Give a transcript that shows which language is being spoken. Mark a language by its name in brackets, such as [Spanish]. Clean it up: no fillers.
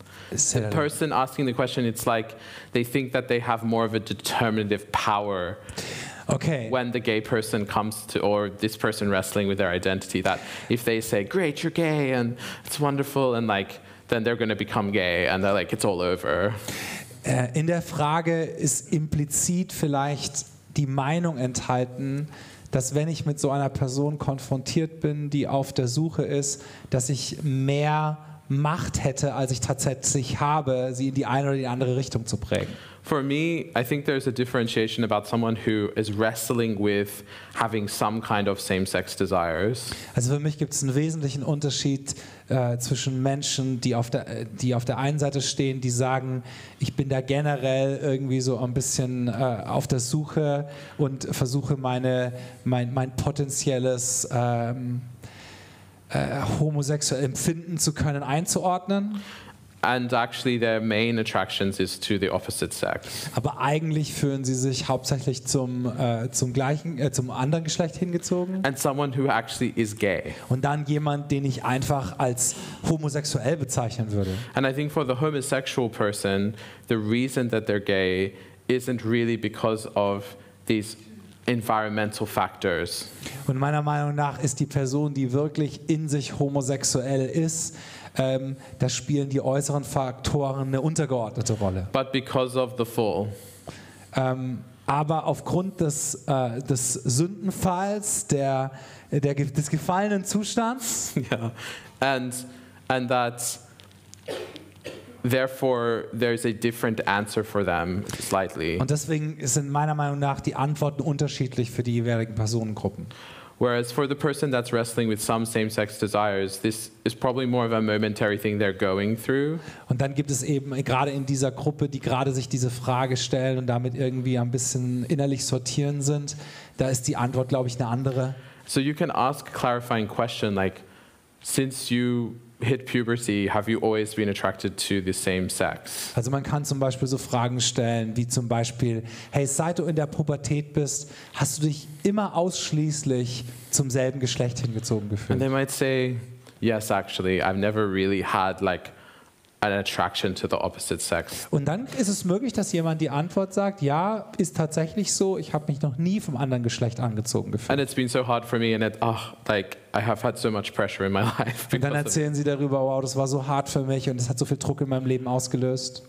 [English] Mm-hmm. The person asking the question, it's like they think that they have more of a determinative power. Okay. When the gay person comes to, or this person wrestling with their identity, that if they say, great, you're gay, and it's wonderful, and like, then they're going to become gay, and they're like, it's all over. [German] In der Frage ist implizit vielleicht die Meinung enthalten, dass wenn ich mit so einer Person konfrontiert bin, die auf der Suche ist, dass ich mehr Macht hätte, als ich tatsächlich habe, sie in die eine oder die andere Richtung zu prägen. [English] For me, I think there's a differentiation about someone who is wrestling with having some kind of same-sex desires. [German] Also für mich gibt es einen wesentlichen Unterschied zwischen Menschen, die auf der einen Seite stehen, die sagen, ich bin da generell irgendwie so ein bisschen auf der Suche und versuche mein potenzielles homosexuell empfinden zu können einzuordnen. [English] And actually their main attractions is to the opposite sex. [German] Aber eigentlich fühlen sie sich hauptsächlich zum anderen Geschlecht hingezogen. [English] And someone who actually is gay. [German] Und dann jemand, den ich einfach als homosexuell bezeichnen würde. [English] And I think for the homosexual person, the reason that they're gay isn't really because of these environmental factors. [German] Und meiner Meinung nach ist die Person, die wirklich in sich homosexuell ist, da spielen die äußeren Faktoren eine untergeordnete Rolle. [English] But because of the fall. [German] Aber aufgrund des Sündenfalls, des gefallenen Zustands. [English] Yeah. And that therefore there is a different answer for them slightly. [German] Und deswegen sind meiner Meinung nach die Antworten unterschiedlich für die jeweiligen Personengruppen. [English] Whereas for the person that's wrestling with some same-sex desires, this is probably more of a momentary thing they're going through. [German] Und dann gibt es eben gerade in dieser Gruppe, die gerade sich diese Frage stellen und damit irgendwie ein bisschen innerlich sortieren sind, da ist die Antwort, glaube ich, eine andere. [English] So you can ask a clarifying question like, since you hit puberty, have you always been attracted to the same sex? [German] Also man kann zum Beispiel so Fragen stellen, wie zum Beispiel, hey, seit du in der Pubertät bist, hast du dich immer ausschließlich zum selben Geschlecht hingezogen gefühlt? [English] And they might say, yes, actually, I've never really had like an attraction to the opposite sex. [German] Und dann ist es möglich, dass jemand die Antwort sagt, ja, ist tatsächlich so, ich habe mich noch nie vom anderen Geschlecht angezogen gefühlt. [English] And it's been so hard for me and I have had so much pressure in my life. [German] Und dann erzählen sie darüber, wow, das war so hart für mich und es hat so viel Druck in meinem Leben ausgelöst.